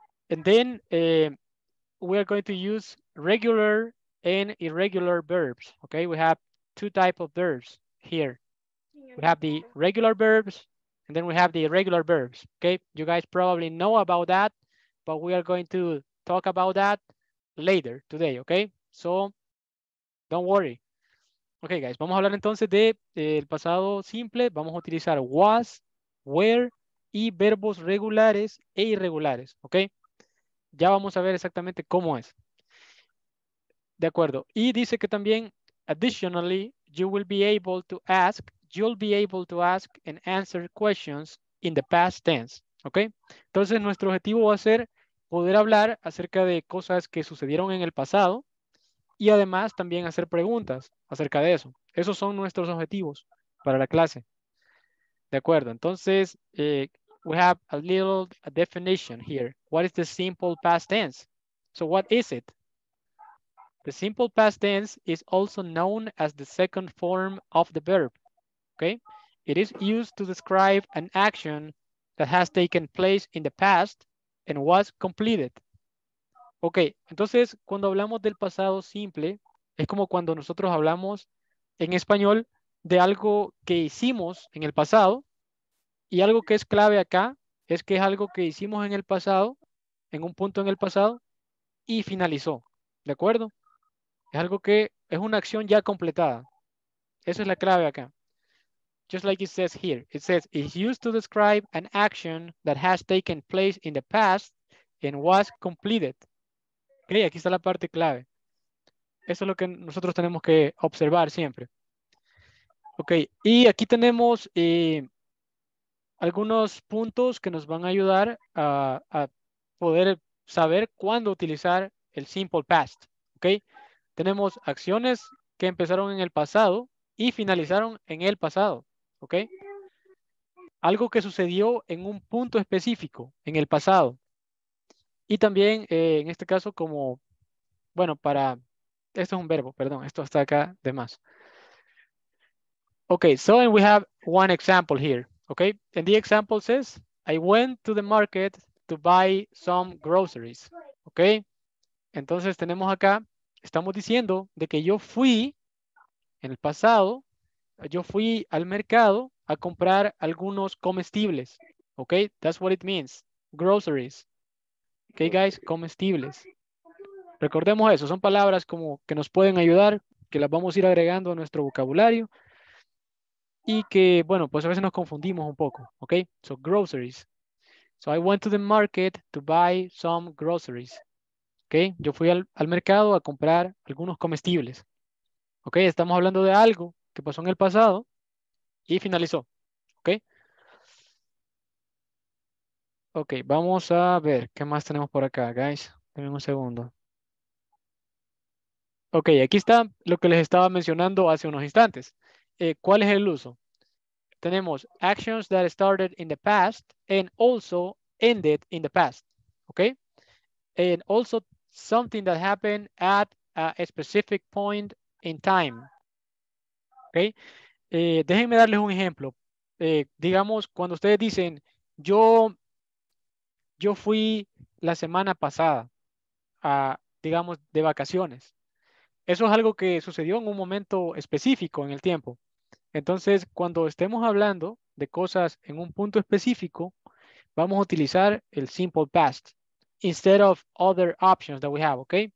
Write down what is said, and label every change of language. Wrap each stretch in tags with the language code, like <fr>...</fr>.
<en>And then we are going to use regular and irregular verbs, okay? We have two types of verbs here. We have the regular verbs, and then we have the irregular verbs, okay? You guys probably know about that, but we are going to talk about that later today, okay? So don't worry. Okay, guys,</en> <es>vamos a hablar entonces de el pasado simple. Vamos a utilizar was, were, y verbos regulares e irregulares, okay? Ya vamos a ver exactamente cómo es. De acuerdo. Y dice que también,</es> <en>additionally, you will be able to ask, you'll be able to ask and answer questions in the past tense. ¿Ok?</en> <es>Entonces, nuestro objetivo va a ser poder hablar acerca de cosas que sucedieron en el pasado y además también hacer preguntas acerca de eso. Esos son nuestros objetivos para la clase. De acuerdo, entonces,</es> <en>we have a little definition here. What is the simple past tense? So what is it? The simple past tense is also known as the second form of the verb, okay? It is used to describe an action that has taken place in the past and was completed.</en> <es>Okay, entonces, cuando hablamos del pasado simple, es como cuando nosotros hablamos en español de algo que hicimos en el pasado, y algo que es clave acá es que es algo que hicimos en el pasado, en un punto en el pasado, y finalizó, ¿de acuerdo? Es algo que es una acción ya completada. Esa es la clave acá.</es> <en>Just like it says here. It says, it's used to describe an action that has taken place in the past and was completed.</en> <es>Okay, aquí está la parte clave. Eso es lo que nosotros tenemos que observar siempre. Ok, y aquí tenemos algunos puntos que nos van a ayudar a poder saber cuándo utilizar el simple past. Ok, tenemos acciones que empezaron en el pasado y finalizaron en el pasado. Ok, algo que sucedió en un punto específico en el pasado. Y también en este caso como, bueno, para, esto es un verbo, perdón, esto está acá de más.</es> <en>Okay, so and we have one example here, okay? And the example says, I went to the market to buy some groceries, okay?</en> <es>Entonces tenemos acá, estamos diciendo de que yo fui, en el pasado, yo fui al mercado a comprar algunos comestibles, okay?</es> <en>That's what it means, groceries. Okay, guys, comestibles.</en> <es>Recordemos eso, son palabras como que nos pueden ayudar, que las vamos a ir agregando a nuestro vocabulario. Y que, bueno, pues a veces nos confundimos un poco, ¿ok?</es> <en>So, groceries. So, I went to the market to buy some groceries. ¿Ok?</en> <es>Yo fui al mercado a comprar algunos comestibles. ¿Ok? Estamos hablando de algo que pasó en el pasado y finalizó. ¿Ok? Ok, vamos a ver qué más tenemos por acá, guys. Denme un segundo. Ok, aquí está lo que les estaba mencionando hace unos instantes. ¿Cuál es el uso? Tenemos</es> <en>actions that started in the past and also ended in the past. Okay? And also something that happened at a specific point in time.</en> <es>Okay? Déjenme darles un ejemplo. Digamos, cuando ustedes dicen, yo fui la semana pasada, digamos, de vacaciones. Eso es algo que sucedió en un momento específico en el tiempo. Entonces, cuando estemos hablando de cosas en un punto específico, vamos a utilizar el simple past</es> <en>instead of other options that we have,</en> <es>¿ok?</es>